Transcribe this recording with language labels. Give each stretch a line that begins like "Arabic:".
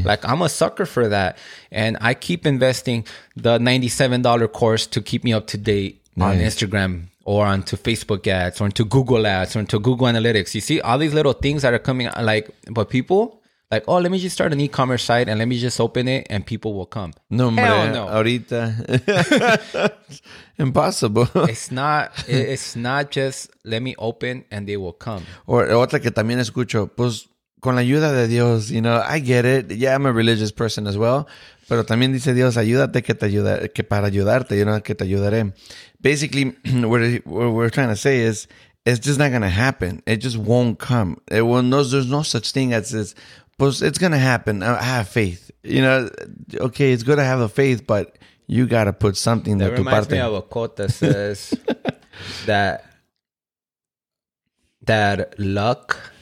English: Like, I'm a sucker for that. And I keep investing the $97 course to keep me up to date on Instagram or onto Facebook ads or into Google ads or into Google Analytics. You see all these little things that are coming, like, but people, like, oh, let me just start an e-commerce site and let me just open it and people will come. No, hell no.
Spanish: Ahorita.
English: Impossible. It's not just let me open and they will come.
Spanish: Or otra que también escucho, pues con la ayuda de Dios,
English: you know, I get it. Yeah, I'm a religious person as well.
Spanish: Pero también dice Dios, ayúdate que te ayuda, que para ayudarte,
English: you know,
Spanish: que te ayudaré.
English: Basically, what we're trying to say is, it's just not going to happen. It just won't come. There's no such thing as this. Well, it's going to happen. I have faith. You know, okay, it's good to have the faith, but you got to put something that there. That reminds me of a quote that says that luck